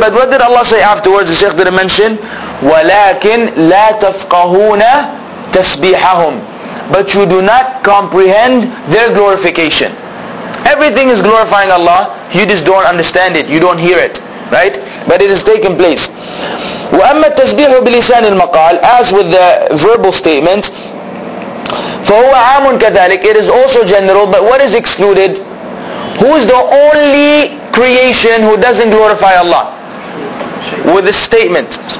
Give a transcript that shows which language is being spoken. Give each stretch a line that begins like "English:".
English: But what did Allah say afterwards? The Shaykh didn't mention,
Arabic: وَلَكِنْ لَا تَفْقَهُونَ تَسْبِيحَهُمْ.
English: But you do not comprehend their glorification. Everything is glorifying Allah, you just don't understand it, you don't hear it. right? But it has taken place.
Arabic: وأما التسبيح بلسان المقال,
English: as with the verbal statement,
Arabic: فهو عام كذلك.
English: It is also general, but what is excluded? Who is the only creation who doesn't glorify Allah with this statement?